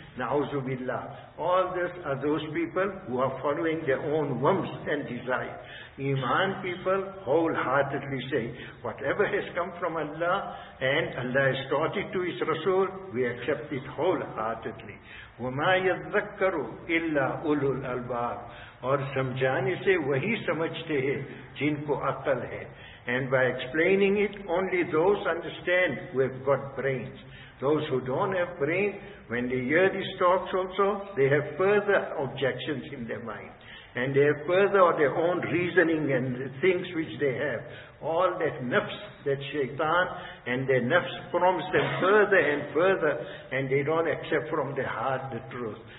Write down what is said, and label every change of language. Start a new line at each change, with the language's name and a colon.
English: Na'uzubillah. All this are those people who are following their own whims and desires. Iman people wholeheartedly say, whatever has come from Allah and Allah has taught it to His Rasul, we accept it wholeheartedly.
Arabic: وَمَا يَذَّكَّرُ إِلَّا أُولُو الْأَلْبَابِ
Urdu: اور سمجھانے سے وہی سمجھتے ہیں جن کو عقل ہے.
English: And by explaining it, only those understand who have got brains. Those who don't have brains, when they hear these talks also, they have further objections in their mind. And they have further or their own reasoning and the things which they have. All that nafs, that shaitan, and their nafs prompts them further and further, and they don't accept from their heart the truth.